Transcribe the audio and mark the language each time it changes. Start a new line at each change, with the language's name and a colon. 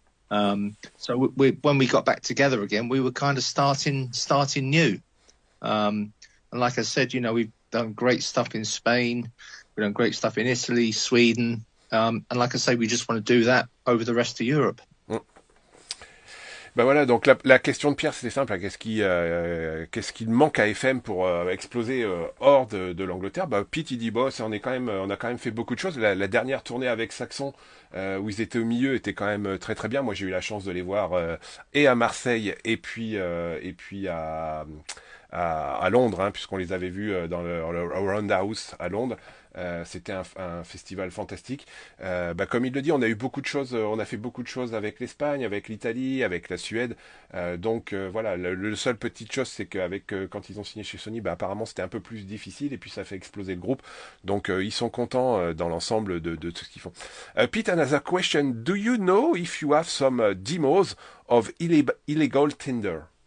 English: So when we got back together again, we were kind of starting new. And like I said, you know, we've done great stuff in Spain. We've done great stuff in Italy, Sweden. And like I say, we just want to do that over the rest of Europe.
French: Ben voilà, donc la question de Pierre, c'était simple. Qu'est-ce qu'il manque à FM pour exploser hors de l'Angleterre? Ben, Pete, il dit, on a quand même fait beaucoup de choses. La dernière tournée avec Saxon, où ils étaient au milieu, était quand même très très bien. Moi, j'ai eu la chance de les voir et à Marseille, et puis à Londres, hein, puisqu'on les avait vus dans le Roundhouse à Londres. C'était un festival fantastique. Comme il le dit, on a eu beaucoup de choses, on a fait beaucoup de choses avec l'Espagne, avec l'Italie, avec la Suède. Voilà, le seul petite chose, c'est qu'avec quand ils ont signé chez Sony, apparemment c'était un peu plus difficile et puis ça fait exploser le groupe. Donc ils sont contents dans l'ensemble de tout ce qu'ils font.
English: Pete, another question. Do you know if you have some demos of illegal Tinder?